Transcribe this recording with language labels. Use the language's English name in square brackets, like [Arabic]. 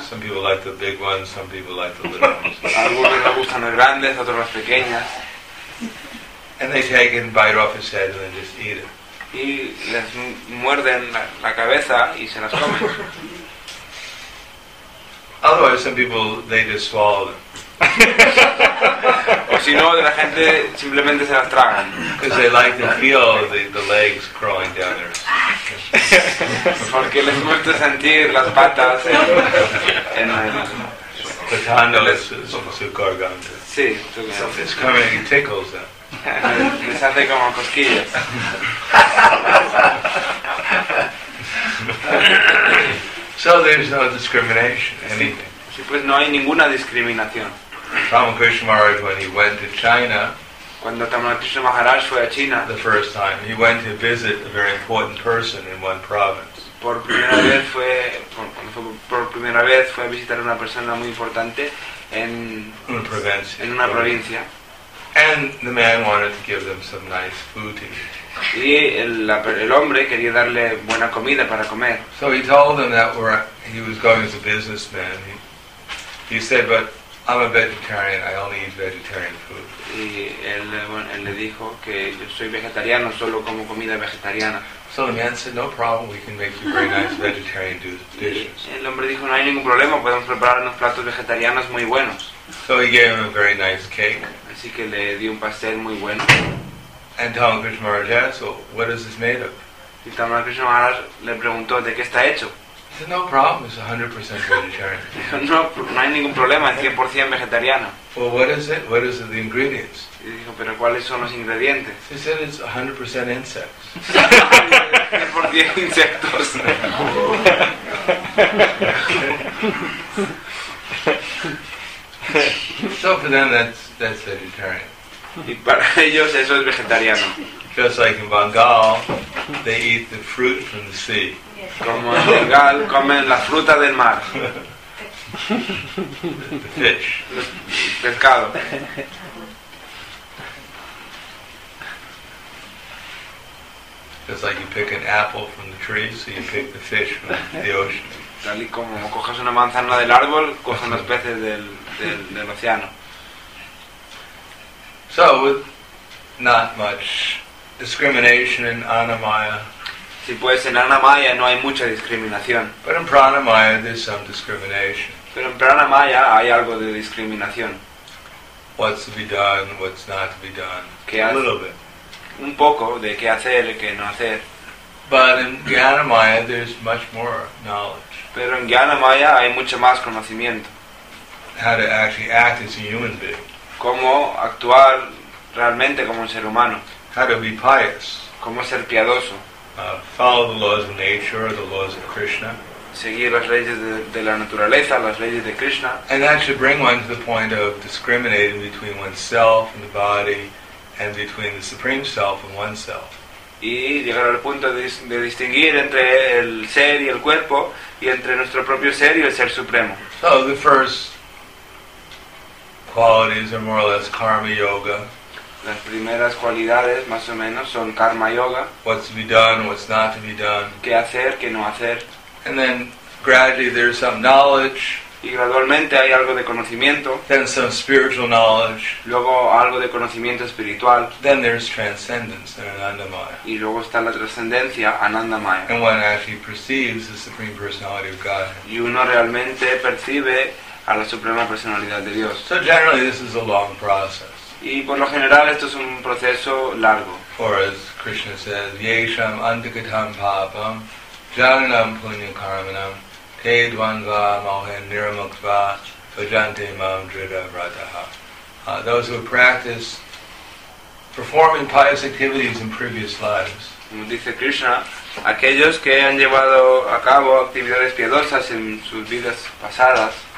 [English] Some people like the big ones, some people like the little ones. [Spanish] Algunos les gustan las grandes, otros las pequeñas. [English] And they take it and bite off his head and then just eat it. [Spanish] Y les muerden la cabeza y se las comen. [English] Otherwise, some people, they just swallow them. [Spanish] O si no, la gente simplemente se las tragan. [English] Because they like to feel the legs crawling down their... [Spanish] Porque les gusta sentir las patas en el... Cortándoles su garganta. Sí. [English] It's coming and tickles them. [Spanish] Les hace como cosquillas. [English] So there's no discrimination, anything. [Spanish] Sí, pues no hay ninguna discriminación. [English] Ramakrishna Maharaj, when he went to China, [Spanish] cuando Ramakrishna Maharaj fue a China, [English] the first time, he went to visit a very important person in one province. [Spanish] Por primera vez fue a visitar una persona muy importante en una provincia. [English] And the man wanted to give them some nice food to eat. [Spanish] Y el hombre quería darle buena comida para comer. [English] So he told them that he was going as a businessman. He said, but I'm a vegetarian, I only eat vegetarian food. [Spanish] Y él le dijo que yo soy vegetariano, solo como comida vegetariana. [English] So the man said, no problem, we can make you very nice vegetarian dishes. [Spanish] Y el hombre dijo, no hay ningún problema, podemos preparar unos platos vegetarianos muy buenos. [English] So he gave him a very nice cake. [Spanish] Así que le dio un pastel muy bueno. [English] And Tama Krishna Maharaj asked, well, what is this made of? [Spanish] Y Tama Krishna Maharaj le preguntó, ¿de qué está hecho? [English] He said, no problem, it's 100% vegetarian. [Spanish] No, no hay ningún problema, es 100% vegetariano. [English] Well, what is it? What is it, the ingredients? [Spanish] Y dijo, ¿pero cuáles son los ingredientes? [English] He said, it's 100% insects. [Spanish] 100% insectos. [English] So for them, that's vegetarian. [Spanish] Y para ellos eso es vegetariano. [English] Just like in Bengal, they eat the fruit from the sea. [Spanish] Como en Bengal comen la fruta del mar. [English] The fish. [Spanish] Pescado. [English] Just like you pick an apple from the tree, so you pick the fish from the ocean. [Spanish] Tal y como coges una manzana del árbol, cogen los peces del océano. [English] So, with not much discrimination in Anamaya. [Spanish] Sí, pues en Anamaya no hay mucha discriminación. [English] But in Pranamaya there's some discrimination. [Spanish] Pero en Pranamaya hay algo de discriminación. [English] What's to be done, what's not to be done. A little bit. [Spanish] Un poco de qué hacer y qué no hacer. [English] But in Gyanamaya there's much more knowledge. [Spanish] Pero en Gyanamaya hay mucho más conocimiento. [English] How to actually act as a human being. [Spanish] Cómo actuar realmente como un ser humano. [English] How to be pious. [Spanish] Cómo ser piadoso. [English] Follow the laws of nature, the laws of Krishna. [Spanish] Seguir las leyes de la naturaleza, las leyes de Krishna. [English] And that should bring one to the point of discriminating between oneself and the body and between the Supreme Self and oneself. [Spanish] Y llegar al punto de distinguir entre el ser y el cuerpo y entre nuestro propio ser y el ser supremo. [English] So the first qualities are more or less karma yoga. [Spanish] Las primeras cualidades, más o menos, son karma yoga. [English] What's to be done, what's not to be done. [Spanish] Qué hacer, qué no hacer. [English] And then gradually there's some knowledge. [Spanish] Y gradualmente hay algo de conocimiento. [English] Then some spiritual knowledge. [Spanish] Luego algo de conocimiento espiritual. [English] Then there's transcendence, then anandamaya. [Spanish] Y luego está la trascendencia, anandamaya. [English] And one actually perceives the Supreme Personality of God. [Spanish] Y uno realmente percibe a la Suprema Personalidad de Dios. [English] So generally this is a long process. [Spanish] Y por lo general esto es un proceso largo. [English] Or as Krishna says, [Sanskrit] yesham antikatam papam jananam punyam karmanam te dvandva mohen niramukva vajante mam drida vrataha. [English] Those who practice performing pious activities in previous lives. [Spanish] Como dice Krishna, aquellos que han llevado a cabo actividades piadosas en sus vidas pasadas,